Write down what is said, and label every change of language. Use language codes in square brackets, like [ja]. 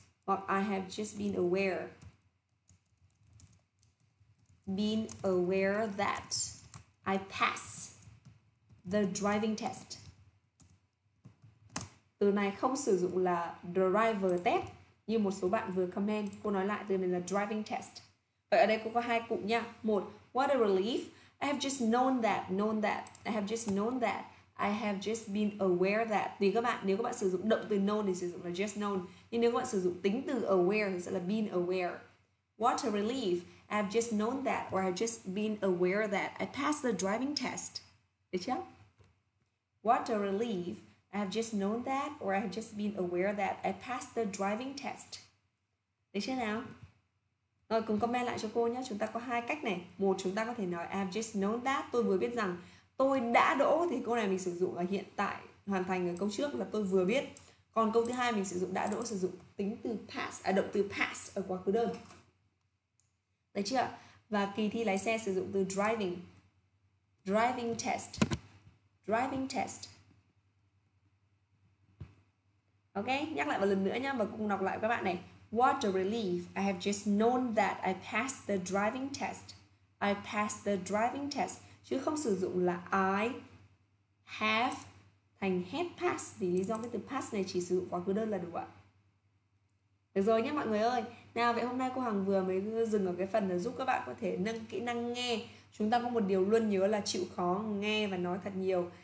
[vi] Hoặc [en] I have just been aware that I pass the driving test. [vi] Từ này không sử dụng là driver test như một số bạn vừa comment. Cô nói lại từ này là driving test. Vậy ở đây cô có hai cụm nha. Một, [en] what a relief. I have just known that. I have just known that. I have just been aware that. [vi] Tùy các bạn, nếu các bạn sử dụng động từ known thì sử dụng là just known. Nhưng nếu các bạn sử dụng tính từ aware thì sẽ là been aware. [en] What a relief. I have just known that or I have just been aware that. I passed the driving test. [vi] Được chưa? [en] What a relief. I have just known that or I have just been aware that I passed the driving test. [vi] Được chưa nào? Rồi cùng comment lại cho cô nhé. Chúng ta có hai cách này. Một, chúng ta có thể nói [en] I have just known that. [vi] Tôi vừa biết rằng tôi đã đỗ, thì câu này mình sử dụng là hiện tại hoàn thành ở câu trước là tôi vừa biết. Còn câu thứ hai mình sử dụng đã đỗ, sử dụng tính từ pass, à, động từ pass ở quá khứ đơn. Được chưa? Và kỳ thi lái xe sử dụng từ driving. Driving test. Driving test. Okay, nhắc lại một lần nữa nha và cùng đọc lại với các bạn này. [en] What a relief. I have just known that I passed the driving test. I passed the driving test. [vi] Chứ không sử dụng là [en] I have [vi] thành [en] had passed. [vi] Vì lý do cái từ pass này chỉ sử dụng quá khứ đơn là đủ ạ. Được rồi nhé mọi người ơi. Nào vậy hôm nay cô Hằng vừa mới dừng ở cái phần là giúp các bạn có thể nâng kỹ năng nghe. Chúng ta có một điều luôn nhớ là chịu khó nghe và nói thật nhiều.